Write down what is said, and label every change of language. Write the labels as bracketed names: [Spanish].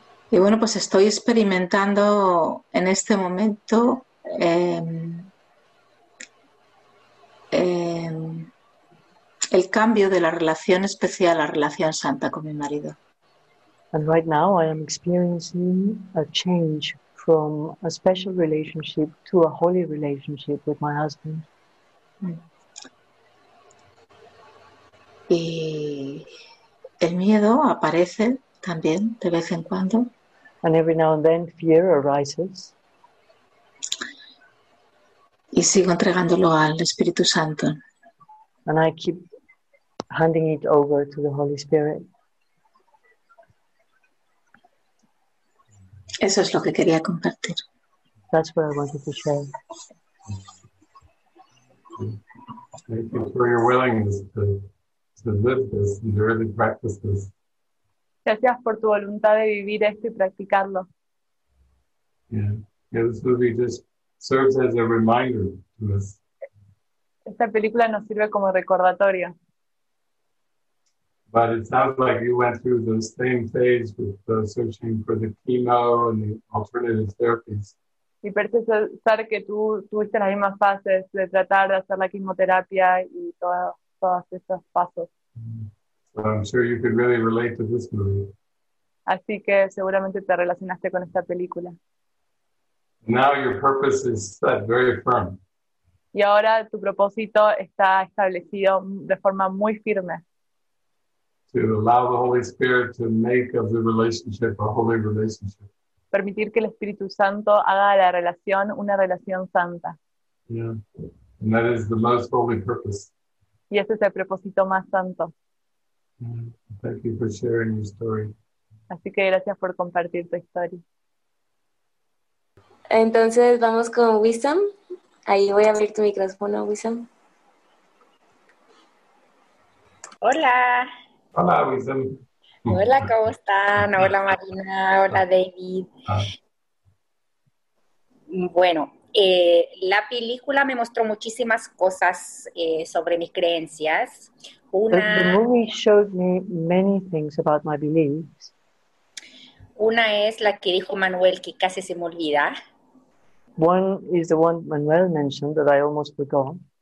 [Spanish] Y bueno, pues estoy experimentando en este momento el cambio de la relación especial a la relación santa con mi marido. [English] And right now I am experiencing a change from a special relationship to a holy relationship with my husband. [Spanish] Y el miedo aparece también de vez en cuando. [English] And every now and then fear arises. [Spanish] Y sigo entregándolo al Espíritu Santo. [English] And I keep handing it over to the Holy Spirit. [Spanish] Eso es lo que quería compartir. [English] That's what I wanted to share. Thank you for your willingness to live this and really practice this. [Spanish] Gracias por tu voluntad de vivir esto y practicarlo. [English] Yeah, this movie just serves as a reminder to us. [Spanish] Esta película nos sirve como recordatorio. [English] But it sounds like you went through the same phase with the searching for the chemo and the alternative therapies. [Spanish] Y parece ser que tú tuviste las mismas fases de tratar de hacer la quimioterapia y todos esos pasos. [English] I'm sure you could really relate to this movie. [Spanish] Así que seguramente te relacionaste con esta película. [English] Now your purpose is set very firm. [Spanish] Y ahora tu propósito está establecido de forma muy firme. [English] To allow the Holy Spirit to make of the relationship a holy relationship. [Spanish] Permitir que el Espíritu Santo haga de la relación una relación santa. [English] Yeah. And that is the most holy purpose. [Spanish] Y ese es el propósito más santo. [English] Yeah. Thank you for sharing your story. [Spanish] Así que gracias por compartir tu historia. Entonces vamos con Wisdom. Ahí voy a abrir tu micrófono, Wisdom. Hola. Hola, Wisdom. Hola, ¿cómo están? Hola, Marina. Hola, David. Bueno, la película me mostró muchísimas cosas sobre mis creencias. [English] The movie showed me many things about my beliefs. [Spanish] Una es la que dijo Manuel que casi se me olvida. [English] One is the one Manuel mentioned that I almost forgot.